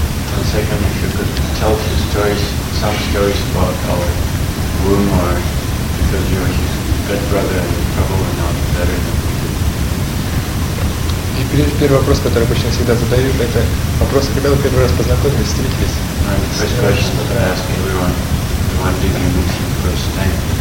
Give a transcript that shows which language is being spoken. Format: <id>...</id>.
<en>And second, if you could tell a few stories, some stories about our Guru Maharaj, because you are his good brother and probably not better than we do.</en> <ru>И первый вопрос, который обычно всегда задают, это вопрос, когда вы первый раз познакомились, встретились?</ru> <en>And the first question that I ask everyone, when did you meet him first time?</en>